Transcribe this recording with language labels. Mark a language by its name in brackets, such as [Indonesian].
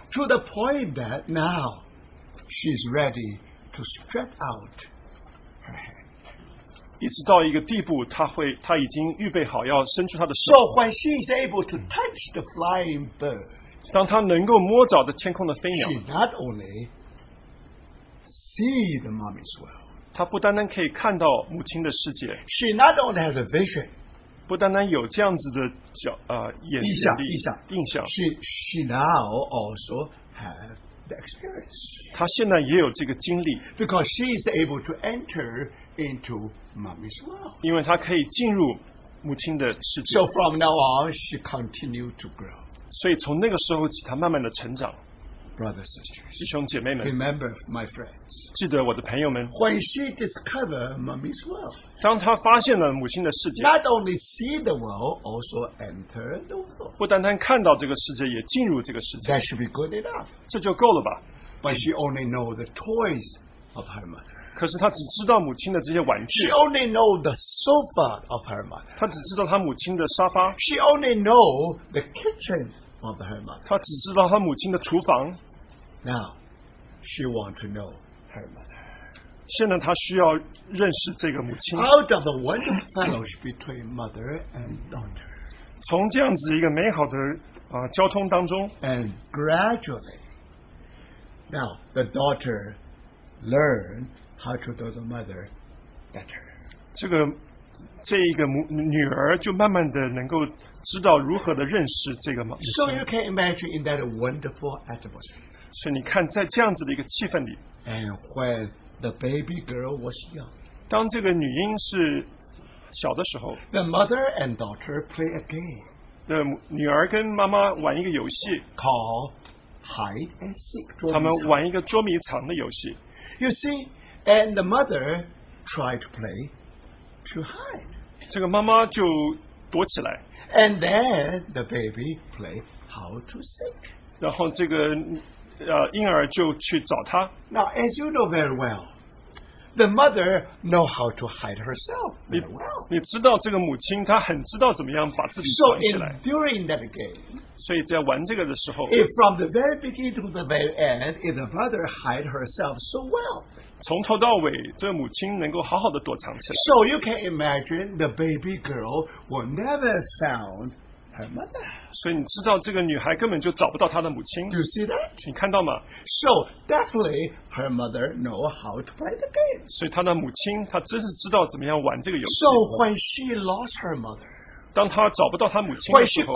[English] To the point that now she's ready to stretch out. [Chinese] 一直到一个地步他已经预备好要伸出他的手 [English] So when she is able to touch the flying bird [Chinese] 当他能够摸着的天空的飞鸟 [English] She not only see the mommy's world [Chinese] 他不单单可以看到母亲的世界 [English] She not only has a vision [Chinese] 不单单有这样子的印象 [English] She now also has the experience [Chinese] 他现在也有这个经历 [English] Because she is able to enter into mommy's world. [Chinese] 因为她可以进入母亲的世界。 [English] So from now on, she continued to grow. [Chinese] 所以从那个时候起，她慢慢的成长。 [English] Brothers, sisters, [Chinese] 弟兄姐妹们 [English] ，Remember my friends. [Chinese] 记得我的朋友们。 [English] When she discovered mommy's world, [Chinese] 当她发现了母亲的世界 [English] ，Not only see the world, also enter the world. [Chinese] 不单单看到这个世界，也进入这个世界。 [English] That should be good enough. [Chinese] 这就够了吧 [English] ？But she only know the toys of her mother. [Chinese] 可是他只知道母亲的这些玩具。 [English] She only know the sofa of her mother. [Chinese] 他只知道他母亲的沙发。 [English] She only know the kitchen of her mother. [Chinese] 他只知道他母亲的厨房。 [English] Now, she want to know her mother. [Chinese] 现在他需要认识这个母亲。 [English] Out of the wonderful fellowship between mother and daughter. [Chinese] 从这样子一个美好的交通当中。 [English] And gradually, now the daughter learned. How to do the mother better? [Chinese] 这一个女儿就慢慢的能够知道如何的认识这个妈。 [English] So you can imagine in that wonderful atmosphere. [Chinese] 所以你看在这样子的一个气氛里。 [English] And when the baby girl was young, [Chinese] 当这个女婴是小的时候 [English] ，the mother and daughter play a game. [Chinese] 的女儿跟妈妈玩一个游戏 [English] ，called hide and seek. [Chinese] 他们玩一个捉迷藏的游戏。 [English] You see. And the mother tried to play to hide. [Chinese] 这个妈妈就躲起来。 [English] And then the baby played how to seek. [Chinese] 然后这个婴儿就去找她。 [English] Now, as you know very well, The mother know how to hide herself. So during that game, if from the very beginning to the very end, if the mother hide herself so well, [Chinese] 从头到尾, 这个母亲能够好好地躲藏起来, [English] so you can imagine the baby girl will never found her mother. [Chinese] 所以你知道这个女孩根本就找不到她的母亲. [English] Do you see that? [Chinese] 你看到吗? [English] So definitely her mother know how to play the game. [Chinese] 所以她的母亲, 她真是知道怎么样玩这个游戏. [English] So when she lost her mother, [Chinese] 当她找不到她母亲的时候,